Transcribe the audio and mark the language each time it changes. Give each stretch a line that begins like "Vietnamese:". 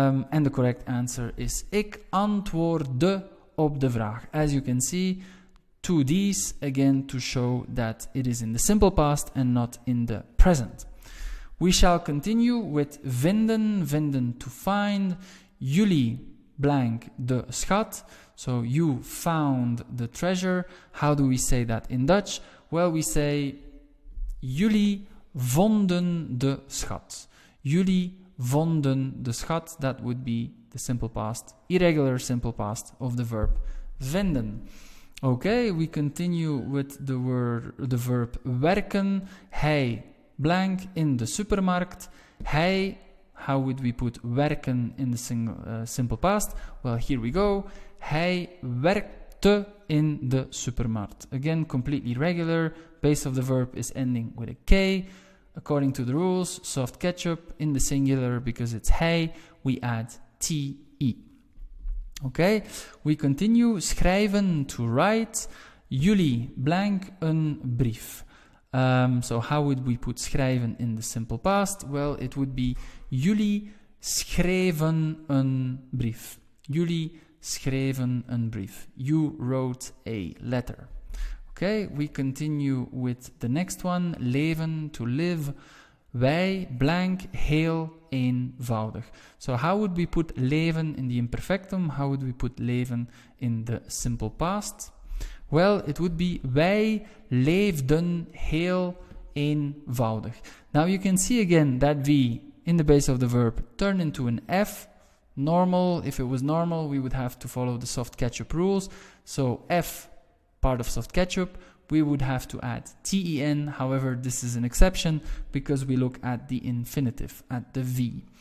English: And the correct answer is
Dutch: ik antwoordde op de vraag.
English: As you can see, two D's, again to show that it is in the simple past and not in the present. We shall continue with vinden, vinden to find.
Dutch: Jullie blank de schat.
English: So you found the treasure. How do we say that in Dutch? Well, we say
Dutch: jullie vonden de schat. Jullie vonden de schat.
English: That would be the simple past, irregular simple past of the verb vinden. Okay, we continue with the verb werken.
Dutch: Hij blank in de supermarkt.
English: Hij, how would we put werken in the simple past? Well, here we go.
Dutch: Hij werkte in de supermarkt.
English: Again, completely regular. Base of the verb is ending with a K. According to the rules, soft ketchup in the singular because it's hij, we add T-E. Okay, we continue. Schrijven, to write.
Dutch: Jullie blank een brief.
English: So how would we put schrijven in the simple past? Well, it would be
Dutch: jullie schreven een brief. Jullie schreven een brief.
English: You wrote a letter. Okay, we continue with the next one. Leven, to live.
Dutch: Wij blank heel eenvoudig.
English: So how would we put leven in the imperfectum? How would we put leven in the simple past? Well, it would be
Dutch: wij leefden heel eenvoudig.
English: Now you can see again that V in the base of the verb turn into an F. Normal, if it was normal, we would have to follow the soft ketchup rules. So F, part of soft ketchup, we would have to add T-E-N. However, this is an exception because we look at the infinitive, at the V.